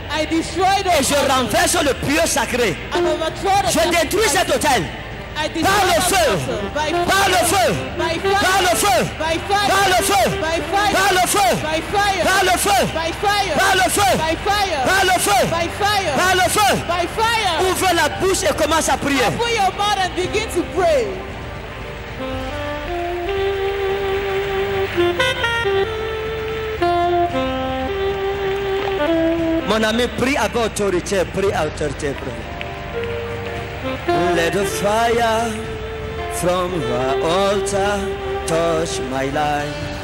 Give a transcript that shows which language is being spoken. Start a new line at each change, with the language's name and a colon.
French: Et je renverse le pieu sacré. Je détruis cet hôtel. Par le feu, par le feu, par le feu, par le feu, par le feu, par le feu, par le feu, par le feu, par le feu, ouvre la bouche et commence à prier.
English: Open your mouth and begin to pray.
French: Mon ami, prie avec autorité, prie avec autorité, prie.
English: Let the fire from the altar touch my life.